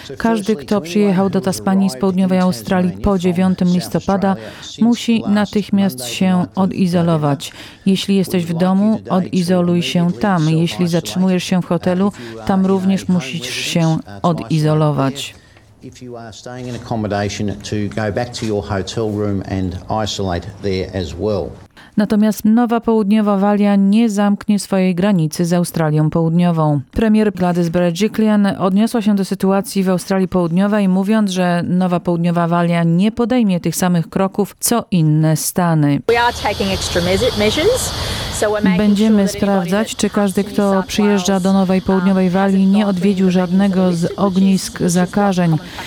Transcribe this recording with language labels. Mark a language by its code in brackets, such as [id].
[pl] Każdy, kto przyjechał do Tasmanii z południowej Australii po 9 listopada, musi natychmiast się odizolować. Jeśli jesteś w domu, odizoluj się tam. Jeśli zatrzymujesz się w hotelu, tam również musisz się odizolować. [en] If you are staying in accommodation, to go back to your hotel room and isolate there as well. [pl] Natomiast Nowa Południowa Walia nie zamknie swojej granicy z Australią Południową. Premier Gladys Berejiklian odniosła się do sytuacji w Australii Południowej, mówiąc, że Nowa Południowa Walia nie podejmie tych samych kroków, co inne stany. [en] We are taking extra measures. [pl] Będziemy sprawdzać, czy każdy, kto przyjeżdża do Nowej Południowej Walii, nie odwiedził żadnego z ognisk zakażeń.